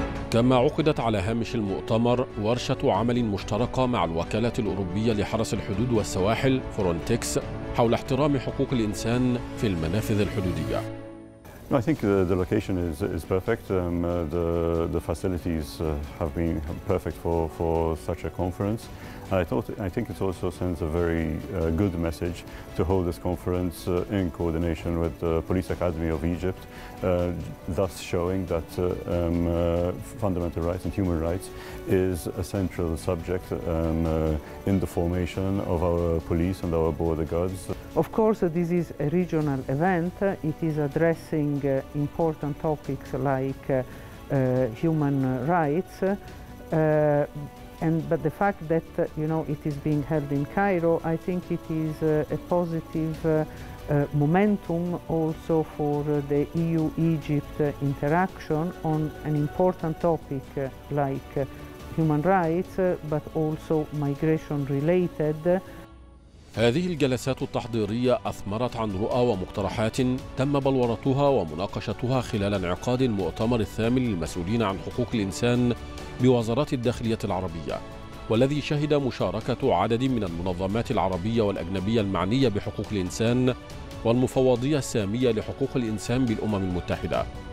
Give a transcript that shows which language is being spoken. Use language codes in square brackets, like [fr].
[ar] كما عقدت على هامش المؤتمر ورشة عمل مشتركة مع الوكالة الأوروبية لحرس الحدود والسواحل فرونتكس حول احترام حقوق الإنسان في المنافذ الحدودية. [en] No, I think the location is perfect. The facilities have been perfect for such a conference. I think it also sends a very good message to hold this conference in coordination with the Police Academy of Egypt, thus showing that fundamental rights and human rights is a central subject in the formation of our police and our border guards. Of course, this is a regional event. It is addressing important topics like human rights. But the fact that you know it is being held in Cairo, I think it is a positive momentum also for the EU-Egypt interaction on an important topic like human rights, but also migration related. [ar] هذه الجلسات التحضيرية أثمرت عن رؤى ومقترحات تم بلورتها ومناقشتها خلال انعقاد المؤتمر الثامن للمسؤولين عن حقوق الإنسان بوزارة الداخلية العربية، والذي شهد مشاركة عدد من المنظمات العربية والأجنبية المعنية بحقوق الإنسان والمفوضية السامية لحقوق الإنسان بالأمم المتحدة،